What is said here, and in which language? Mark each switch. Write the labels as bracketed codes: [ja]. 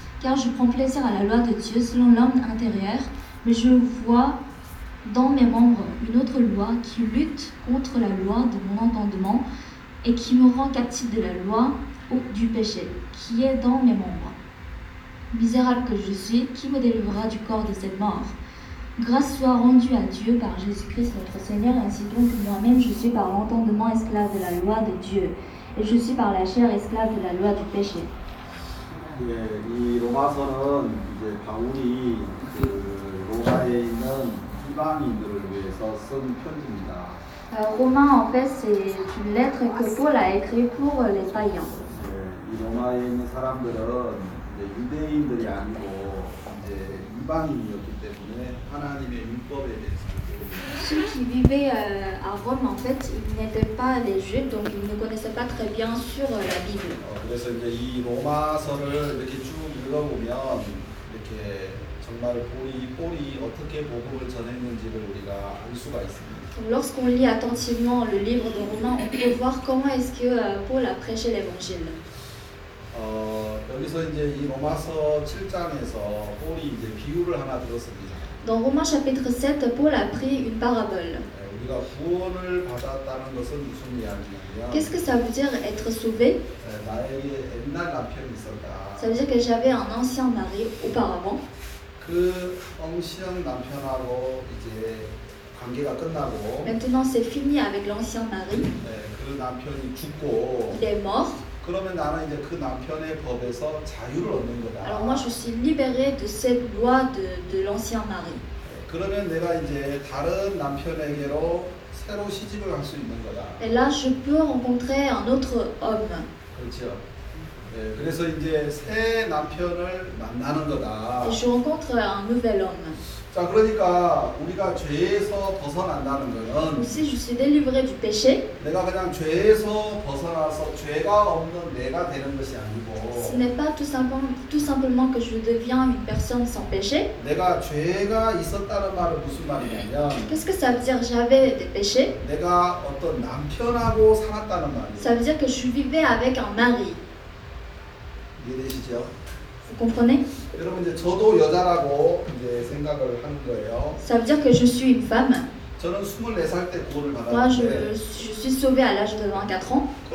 [fr] Car je prends plaisir à la loi de Dieu selon l'homme intérieur, mais je vois dans mes membres une autre loi qui lutte contre la loi de mon entendement et qui me rend captive de la loi du péché qui est dans mes membres. Misérable que je suis, qui me délivrera du corps de cette mort? Grâce soit rendue à Dieu par Jésus-Christ notre Seigneur, ainsi donc moi-même je suis par l'entendement esclave de la loi de Dieu et je suis par la chair esclave de la loi du péché. [ko] 예, 이 로마서는 이제 바울이 그 로마에 있는 이방인들을 위해서 쓴 편지입니다. [fr] Romains en fait c'est une lettre que Paul a écrit pour les païens. [ko] 예, 이 로마에 있는 사람들은 이제 유대인들이 아니고 이제 이방인이었기 때문에 하나님의 율법에 대해서. [fr] Ceux qui vivaient à Rome en fait ils n'étaient pas des Juifs donc ils ne connaissaient pas très bien sur la Bible. [ko] 그래서 이제 이 로마서를 이렇게 쭉 읽어보면 이렇게 정말 폴이 어떻게 복음을 전했는지를 우리가 알 수가 있습니다. [fr] Lorsqu'on lit attentivement le livre de Romains, on peut voir comment est-ce que Paul a prêché l'évangile. [ko] 여기서 이제 이 로마서 7장에서 폴이 이제 비유를 하나 들었습니다. [fr] Dans Romains chapitre 7, Paul a pris une parabole. [ko] 우리가 구원을 받았다는 것은 무슨 이야기냐면 [fr] Qu'est-ce que ça veut dire être sauvé? [ko] 나에게 옛날 남편이 있었다. [fr] Ça veut dire que j'avais un ancien mari auparavant. [ko] 그 [fr] ancien [ko] 남편하고 이제 관계가 끝나고 [fr] Maintenant c'est fini avec l'ancien mari. [ko] 그 남편이 죽고 [fr] Il est mort. [ko] 그러면 나는 이제 그 남편의 법에서 자유를 얻는 거다. [fr] Alors moi je suis libéré de cette loi de l'ancien mari. [ko] 그러면 내가 이제 다른 남편에게로 새로 시집을 갈 수 있는 거다. [fr] Et là, je peux rencontrer un autre homme. [ko] 그렇죠. 네, 그래서 이제 새 남편을 만나는 거다. [fr] Et je rencontre un nouvel homme. [ko] 자, 그러니까 우리가 죄에서 벗어난다는 거는 [fr] Si je suis délivré du péché, [ko] 내가 그냥 죄에서 벗어나서 죄가 없는 내가 되는 것이 아니고 [fr] Ce n'est pas tout simplement que je deviens une personne sans péché. [ko] 내가 죄가 있었다는 말은 무슨 말이냐면 [fr] Qu'est-ce que ça veut dire j'avais des péchés? [ko] 내가 어떤 남편하고 살았다는 말이에요. [fr] Ça veut dire que je vivais avec un mari. [ko] 이해되시죠? [fr] Vous comprenez? Ça veut dire que je suis une femme. Moi, je suis sauvée à l'âge de 24 ans.